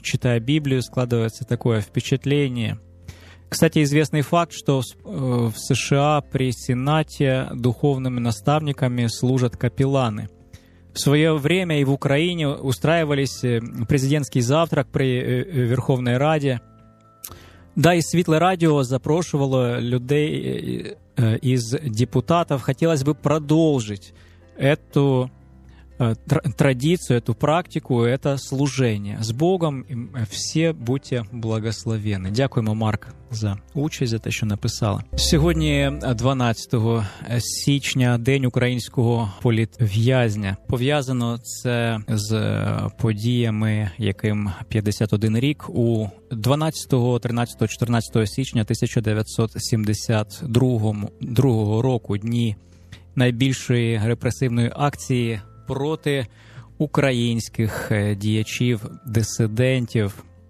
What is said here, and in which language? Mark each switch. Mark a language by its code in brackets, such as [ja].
[ru] Читая Библию, складывается такое впечатление. Кстати, известный факт, что в США при Сенате духовными наставниками служат капелланы. В свое время и в Украине устраивались президентский завтрак при Верховной Раде. Да, и Світле Радіо запрошувало людей из депутатов. Хотелось бы продолжить эту традицию, эту практику, это служение. С Богом, все будьте благословенны. [uk] Дякуємо, Марк, за участь, за те, що написала. Сьогодні 12 січня, День українського політв'язня. Пов'язано це з подіями, яким 51 рік, у 12, 13, 14 січня 1972 року, дні найбільшої репресивної акції проти українських діячів-дисидентів,